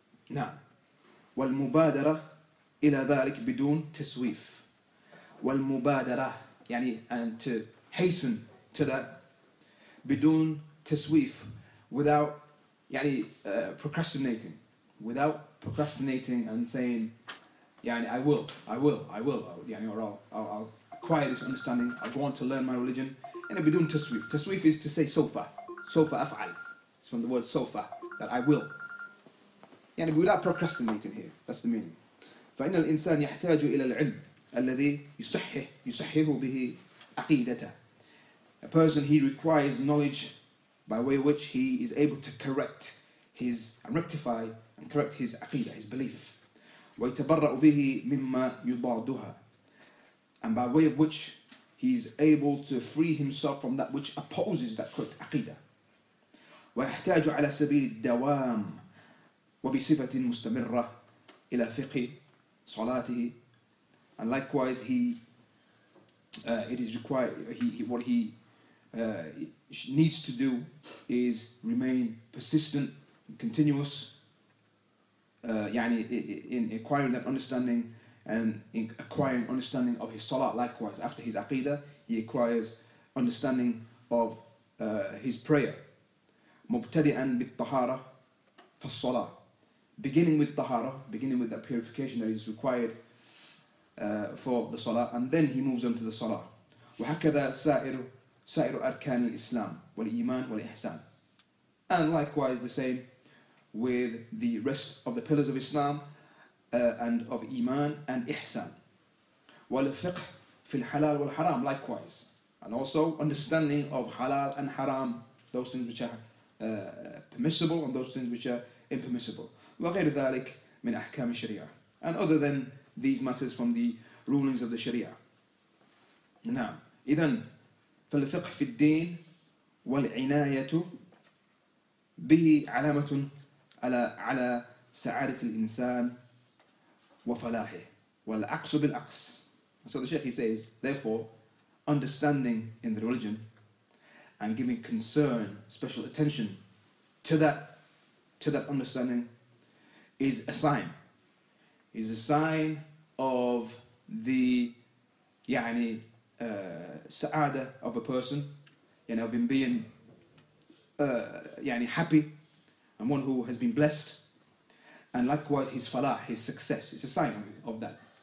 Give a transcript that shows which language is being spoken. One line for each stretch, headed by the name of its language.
English: Now,
Arabic: والمبادرة إلى ذلك بدون تسويف والمبادرة
English: يعني and to hasten to that
Arabic: بدون تسويف
English: without يعني procrastinating without procrastinating and saying يعني I will يعني or I'll acquire this understanding, I go on to learn my religion. And I'll be doing taswif. Taswif is to say sofa. Sofa af'al. It's from the word sofa, that I will. Yani without procrastinating here, that's the meaning.
Arabic: فإن الإنسان يحتاج إلى العلم الذي يصحه به عقيدته.
English: A person, he requires knowledge by way which he is able to correct his, and rectify and correct his عقيده, his belief.
Arabic: ويتبرأ به مما يضادها.
English: And by way of which he's able to free himself from that which opposes that correct aqidah.
Arabic: ويحتاج على سبيل الدوام وبصفة مستمرة إلى فقه صلاته.
English: And likewise, what he needs to do is remain persistent and continuous. In acquiring that understanding. And in acquiring understanding of his salah, likewise, after his aqidah, he acquires understanding of his prayer.
Arabic: مُبْتَدِئًا بِالطَّهَارَ فَالصَّلَاةِ
English: Beginning with that purification that is required for the salah, and then he moves on to the salah.
Arabic: وَحَكَذَا سَائِرُ أَرْكَانِ الْإِسْلَامِ وَالْإِيمَانِ وَالْإِحْسَانِ
English: And likewise, the same with the rest of the pillars of Islam, and of iman and ihsan,
Arabic: wal fiqh fil halal wal haram.
English: Likewise, And also understanding of halal and haram, those things which are permissible and those things which are impermissible.
Arabic: وغير ذلك من أحكام الشريعة.
English: And other than these matters from the rulings of the Sharia.
Arabic: نعم. إذن فالفقه في الدين والعناية به علامة على سعادة الإنسان وفلاحه. والعقص بالعقص.
English: So the Sheikh, he says, therefore, understanding in the religion and giving concern, special attention to that understanding is a sign of the يعني سعادة of a person, you know, of him being يعني happy and one who has been blessed, and likewise his falah, his success, it's a sign of that.